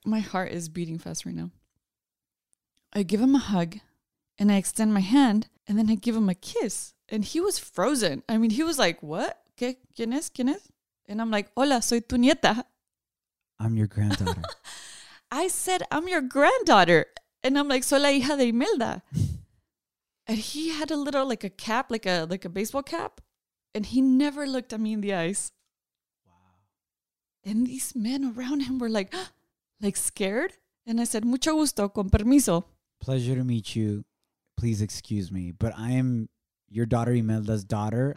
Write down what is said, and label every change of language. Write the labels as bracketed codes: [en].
[en] My heart is beating fast right now. I give him a hug, and I extend my hand, and then I give him a kiss. And he was frozen. I mean, he was like, what? [es] ¿Qué? ¿Quién es? ¿Quién es? [en] And I'm like, [es] hola, soy tu nieta. [en] I'm your granddaughter. I said, I'm your granddaughter. And I'm like, [es] soy la hija de Imelda. [en] And he had a little, like a cap, like a baseball cap. And he never looked at me in the eyes. Wow. And these men around him were like, like scared. And I said, [es] mucho gusto, con permiso. [en] Pleasure to meet you. Please excuse me, but I am your daughter, Imelda's daughter.